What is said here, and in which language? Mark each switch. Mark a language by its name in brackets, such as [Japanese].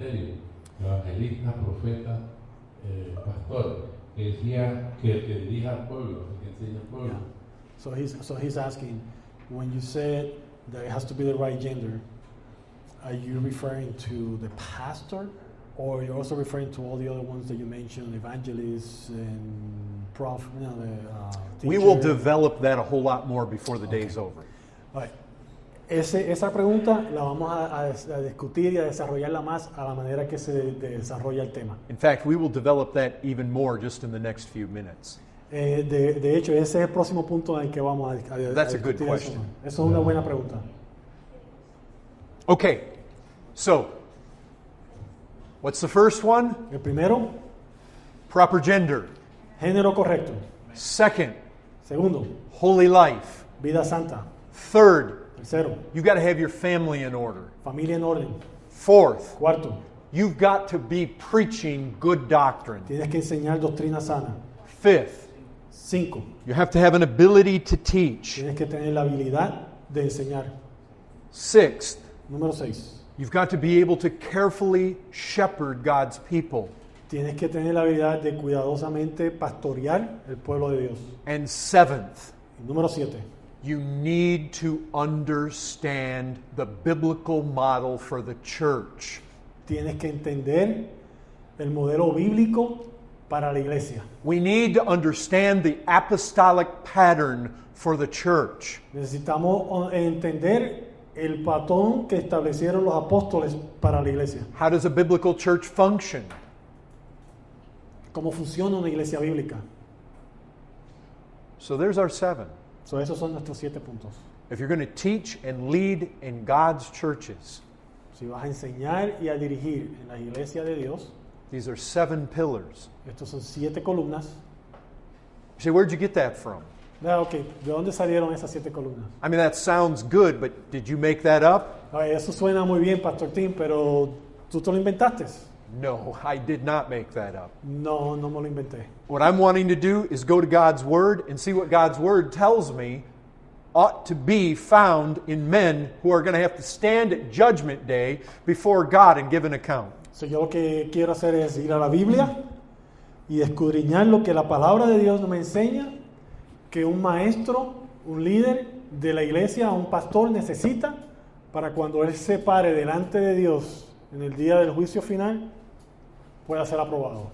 [Spanish] ministerio, evangelista, profeta, pastor, que decía que te dirija al pueblo, que enseña al pueblo. [English] Yeah. So he's asking, when you said that it has to be the right gender, are you referring to the pastor, or you're also referring to all the other ones that you mentioned, evangelists and prof, you know, the teacher? We will develop that a whole lot more before the day is over. All right. [Spanish] Esa pregunta la vamos a discutir y a desarrollarla más a la manera que se desarrolla el tema. [English] In fact, we will develop that even more just in the next few minutes. [Spanish] De hecho, ese es el próximo punto en el que vamos a discutir. [English] That's a good question. [Spanish] Eso es una buena pregunta. [English] Okay, so, what's the first one? [Spanish] El primero. [English] Proper gender. [Spanish] Género correcto. [English] Second. [Spanish] Segundo. [English] Holy life. [Spanish] Vida santa. [English] Third. [Spanish] Tercero. [English] You've got to have your family in order. [Spanish] Familia en orden. [English] Fourth. [Spanish] Cuarto. [English] You've got to be preaching good doctrine. [Spanish] Tienes que enseñar doctrina sana. [English] Fifth. [Spanish] Cinco. [English] You have to have an ability to teach. [Spanish] Tienes que tener la habilidad de enseñar. [English] Sixth. [Spanish] Número seis. [English] You've got to be able to carefully shepherd God's people. [Spanish] Tienes que tener la habilidad de cuidadosamente pastorear el pueblo de Dios. [English] And seventh. [Spanish] Número siete. [English] You need to understand the biblical model for the church. [Spanish] Tienes que entender el modelo bíblico para la iglesia. [English] We need to understand the apostolic pattern for the church. [Spanish] Necesitamos entender el patrón que establecieron los apóstoles para la iglesia. [English] How does a biblical church function? [Spanish] ¿Cómo funciona una iglesia bíblica? [English] So there's our seven. [Spanish] So esos son nuestros siete puntos. [English] If you're going to teach and lead in God's churches, [Spanish] si vas a enseñar y a dirigir en la iglesia de Dios, [English] these are seven pillars. [Spanish] Estos son siete columnas. [English] You say, where'd you get that from? [Spanish] No, okay. ¿De dónde salieron esas siete columnas? [English] I mean, that sounds good, but did you make that up? [Spanish] Ay, eso suena muy bien, Pastor Tim, pero ¿tú te lo inventaste? [English] No, I did not make that up. [Spanish] No, no me lo inventé. [English] What I'm wanting to do is go to God's Word and see what God's Word tells me ought to be found in men who are going to have to stand at Judgment Day before God and give an account. [Spanish] So yo lo que quiero hacer es ir a la Biblia y escudriñar lo que la Palabra de Dios me enseña que un maestro, un líder de la iglesia, un pastor necesita para cuando él se pare delante de Dios en el día del juicio final, pueda ser aprobado.